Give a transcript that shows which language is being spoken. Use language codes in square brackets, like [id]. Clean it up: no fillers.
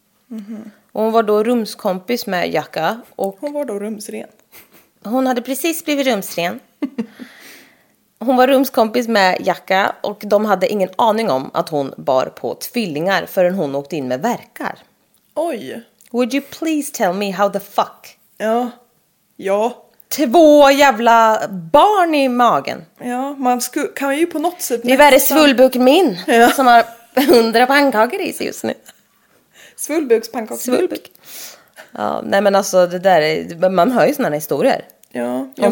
[sv] Mm-hmm. Och hon var då rumskompis med Jacka. Och hon var då rumsren. Hon hade precis blivit rumsren. Hon var rumskompis med Jacka och de hade ingen aning om att hon bar på tvillingar förrän hon åkte in med värkar. Oj. [en] Would you please tell me how the fuck? [sv] Ja. Ja. Två jävla barn i magen. Ja, man kan ju på något sätt... Det är värre svullbuken min ja. Som har 100 pannkakor i sig just nu. Svullbukspannkakor. Svullbuk. Ja, nej men alltså det där är, man hör ju sådana historier. Ja, om ja,